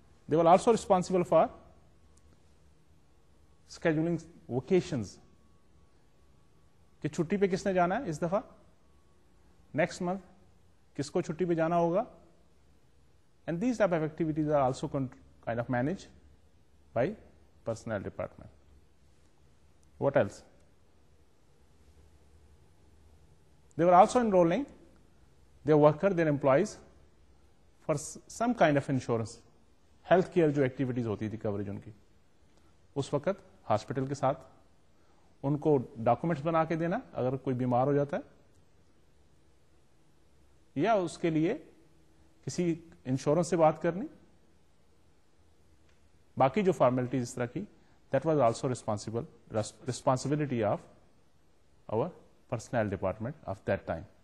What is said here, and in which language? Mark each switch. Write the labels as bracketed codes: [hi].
[en] they were also responsible for scheduling vacations [ur] کہ چھٹی پہ کس نے جانا ہے اس دفعہ, نیکسٹ منتھ کس کو چھٹی پہ جانا ہوگا, [en] And these type of activities are also kind of manage by personnel department. What else? They were also enrolling their worker, their employees for some kind of insurance. [ur] Healthcare جو activities ہوتی تھی coverage ان کی اس وقت hospital کے ساتھ, ان کو documents بنا کے دینا اگر کوئی بیمار ہو جاتا ہے, یا اس کے لیے کسی انشورنس سے بات کرنی, باقی جو فارمیلٹیز اس طرح کی, [en] That was also responsibility of our personnel department of that time.